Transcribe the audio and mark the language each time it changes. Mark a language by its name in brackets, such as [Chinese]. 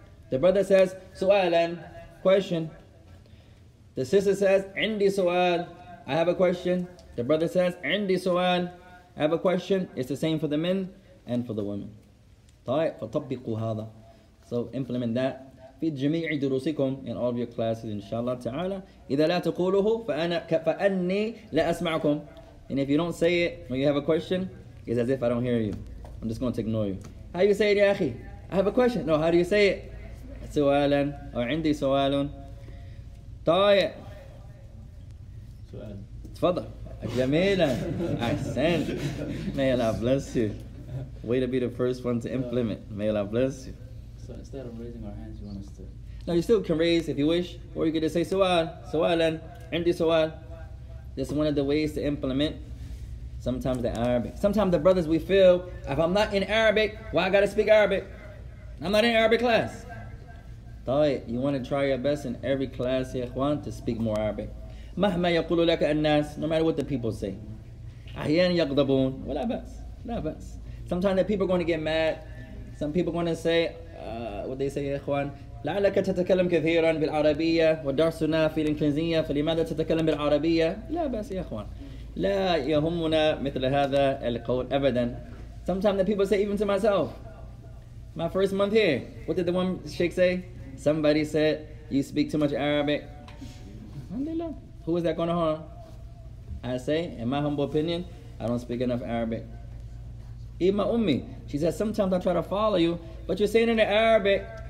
[English] The brother says, سؤالاً, question. The sister says, [Arabic] عندي سؤال, [English] I have a question. The brother says, [Arabic] عندي سؤال, [English] I have a question. It's the same for the men and for the women. [Arabic] طيب, فطبقوا هذا. [English] So implement that [Arabic] في جميع دروسكم, [English] in all of your classes, inshallah ta'ala. [Arabic] إذا لا تقوله فأني لا أسمعكم. [English] And if you don't say it when you have a question, it's as if I don't hear you. I'm just going to ignore you. How do you say it, يا أخي? I have a question. No, how do you say it? [Arabic] سؤالا أو عندي سؤال. طيب. سؤال. تفضل. جميلا. أحسنت. [English] May Allah bless you. Way to be the first one to implement. May Allah bless you. So instead of raising our hands, you want us to... No, you still can raise if you wish. Or you could just say سؤال. [Arabic] سؤالا. عندي سؤال. [English] This is one of the ways to implement sometimes the Arabic. Sometimes the brothers, we feel, if I'm not in Arabic, why I gotta speak Arabic? I'm not in Arabic class. طيب, you wanna try your best in every class, يا إخوان, to speak more Arabic. [Arabic] مهما يقول لك الناس, [English] no matter what the people say. [Arabic] أحيان يغضبون, ولا بس, لا بس. [English] Sometimes the people are gonna get mad. Some people gonna say, what they say, [Arabic] يا إخوان, لعلك تتكلم كثيرا بالعربية ودرسنا في الإنجليزية فلماذا تتكلم بالعربية؟ لا بس يا إخوان لا يهمنا مثل هذا القول أبدا. [English] Sometimes the people say even to myself, my first month here, what did the one sheikh say? Somebody said you speak too much Arabic. Alhamdulillah. Who is that going to harm? I say, in my humble opinion, I don't speak enough Arabic. Even my ummi, she says sometimes I try to follow you, but you're saying in Arabic.